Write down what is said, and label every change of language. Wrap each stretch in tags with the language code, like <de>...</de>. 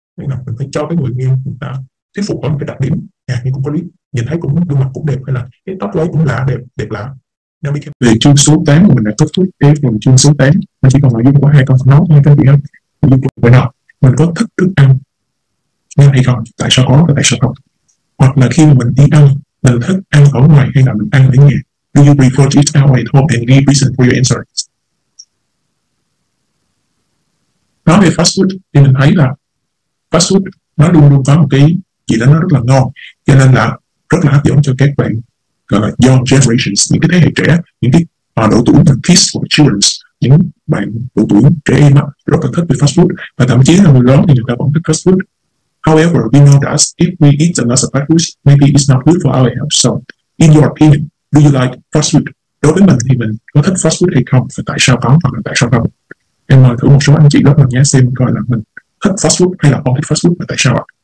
<vi>Nên là mình phải cho cái người nghe người ta thuyết phục ở một cái đặc điểm nhưng cũng có lý, nhìn thấy cũng gương mặt cũng đẹp, hay là cái tóc lấy cũng lạ, đẹp lạ. Về chương số 8 mình đã kết thúc cái phần chương số 8, mình chỉ còn lại có hai con số nói thôi. Mình có thích thức ăn ngon hay không? Tại sao có và tại sao không? Hoặc là khi mà mình đi ăn, mình thích ăn ở ngoài hay là mình ăn ở nhà?</vi> <en>Do you prefer to eat out at home and give reason for your answer?</en> <vi>Nói về fast food thì mình thấy là fast food nó luôn luôn có một cái gì đó nó rất là ngon, cho nên là rất là hấp dẫn cho các bạn gọi là</vi> <en>young generations,</en> <vi>những cái thế hệ trẻ, những cái độ tuổi là</vi> <en>kids or children,</en> <vi>những bạn độ tuổi trẻ em rất là thích về fast food, và thậm chí là người lớn thì người ta vẫn thích fast food.</vi> <en>However, we know that if we eat a lot of fast food, maybe it's not good for our health. So, in your opinion, do you like fast food?</en> <vi>Đối với mình thì mình có thích fast food hay không, và tại sao có, hoặc là tại sao không? Em mời thử một số anh chị góp mình nhé, xem coi là mình thích fast food hay là không thích fast food, và tại sao ạ?</vi>